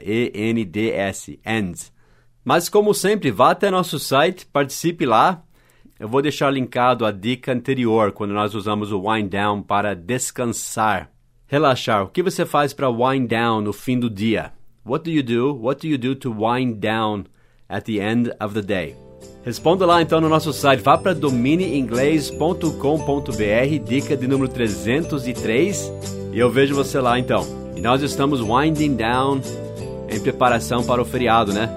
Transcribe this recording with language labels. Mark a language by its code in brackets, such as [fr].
[pt] E-N-D-S, ends. Mas como sempre, vá até nosso site, participe lá. Eu vou deixar linkado a dica anterior, quando nós usamos o wind down para descansar. Relaxar. O que você faz para wind down no fim do dia? [en] What do you do? What do you do to wind down at the end of the day? [pt] Responda lá então no nosso site. Vá para domineinglês.com.br, dica de número 303. E eu vejo você lá então. E nós estamos winding down em preparação para o feriado, né?